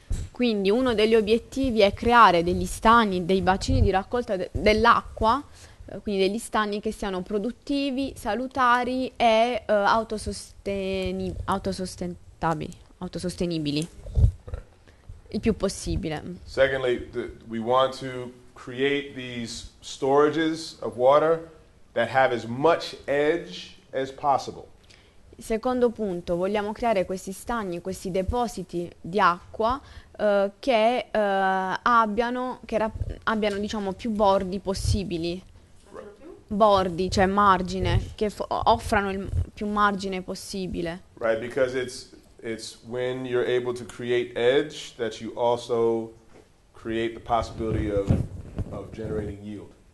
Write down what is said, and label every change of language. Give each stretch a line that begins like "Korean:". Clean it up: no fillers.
Italian: Quindi uno degli obiettivi è creare degli stagni, dei bacini di raccolta dell'acqua, quindi degli stagni che siano produttivi, salutari e autosostenibili, il più possibile.
English: Secondly, we want to create these storages of water that have as much edge as possible.
Italian: Secondo punto, vogliamo creare questi stagni, questi depositi di acqua che abbiano, diciamo, più bordi possibili. R- bordi, cioè margine, che offrano il più margine possibile.
English: Right, because it's when you're able to create edge that you also create the possibility of generating yield.